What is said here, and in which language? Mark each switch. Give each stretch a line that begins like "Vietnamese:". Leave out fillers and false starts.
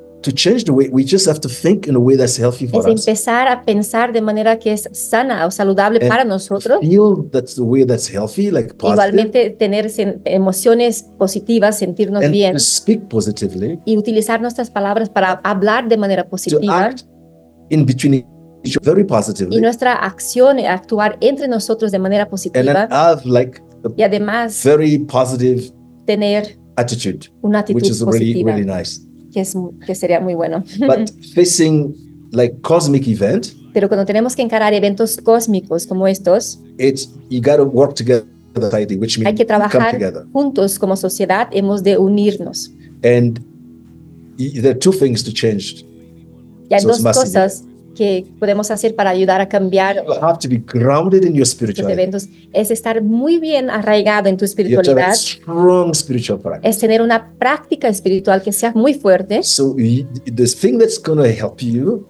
English: to change the way we just have to think in a way that's healthy for us.
Spanish: Es empezar a pensar de manera que es sana o saludable
English: and
Spanish: para nosotros.
English: Feel that's the way that's healthy, like positive.
Spanish: Igualmente tener emociones positivas, sentirnos
English: and
Spanish: bien.
English: And speak positively.
Spanish: Y utilizar nuestras palabras para hablar de manera positiva.
English: To act in between each other very positively.
Spanish: Y nuestra acción actuar entre nosotros de manera positiva.
English: And have like
Spanish: y además
English: very positive
Spanish: tener
English: attitude,
Spanish: una actitud
English: which is
Spanish: positiva,
English: really, really nice.
Spanish: Que sería muy bueno.
English: But facing like cosmic event,
Spanish: pero cuando tenemos que encarar eventos cósmicos como estos,
English: it's, you gotta work together, which means
Spanish: hay que trabajar
English: come together.
Spanish: Juntos como sociedad, hemos de unirnos.
English: And there are two things to change.
Spanish: Y hay dos cosas que podemos hacer para ayudar a cambiar.
English: You have to be grounded in your spirituality.
Spanish: Eventos, es estar muy bien arraigado en tu espiritualidad.
English: You have to have a strong spiritual practice.
Spanish: Es tener una práctica espiritual que sea muy fuerte.
English: So the thing that's going to help you,